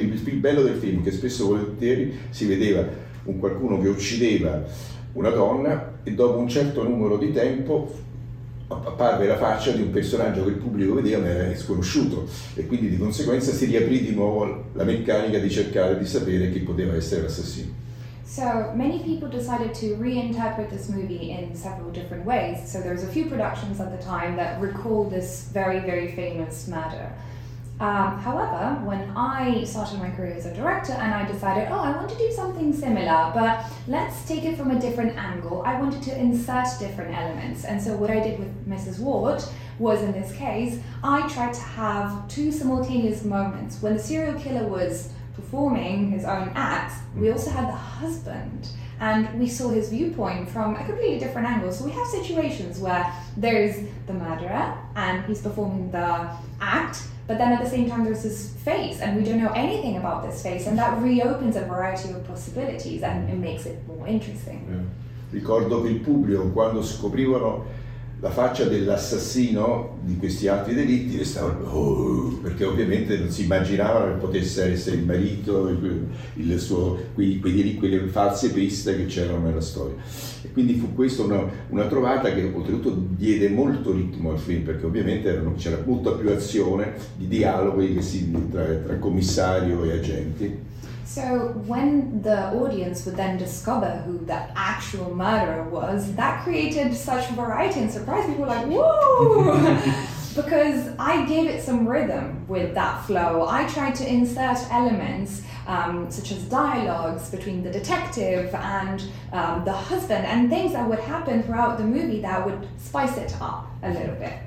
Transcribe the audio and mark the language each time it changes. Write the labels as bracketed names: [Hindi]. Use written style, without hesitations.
[Italian] Quindi il bello del film è che spesso e volentieri si vedeva un qualcuno che uccideva una donna e dopo un certo numero di tempo apparve la faccia di un personaggio che il pubblico vedeva ma era sconosciuto, e quindi di conseguenza si riaprì di nuovo la meccanica di cercare di sapere chi poteva essere l'assassino. [English] So many people decided to reinterpret this movie in several different ways. So there was a few productions at the time that recalled this very, very famous murder. However, when I started my career as a director and I decided, oh, I want to do something similar, but let's take it from a different angle, I wanted to insert different elements. And so what I did with Mrs. Ward was, in this case, I tried to have two simultaneous moments. When the serial killer was performing his own acts, we also had the husband, and we saw his viewpoint from a completely different angle. So we have situations where there's the murderer and he's performing the act, but then at the same time there's this face and we don't know anything about this face, and that reopens a variety of possibilities and it makes it more interesting. [Italian] Ricordo che il pubblico, quando scoprivano la faccia dell'assassino di questi altri delitti, restavano perché ovviamente non si immaginavano che potesse essere il marito, il suo, quelle false piste che c'erano nella storia. E quindi fu questa una trovata che oltretutto diede molto ritmo al film, perché ovviamente c'era molta più azione di dialoghi tra commissario e agenti. [English] So when the audience would then discover who the actual murderer was, that created such variety and surprise. People were like, "Woo!" Because I gave it some rhythm with that flow. I tried to insert elements such as dialogues between the detective and the husband, and things that would happen throughout the movie that would spice it up a little bit.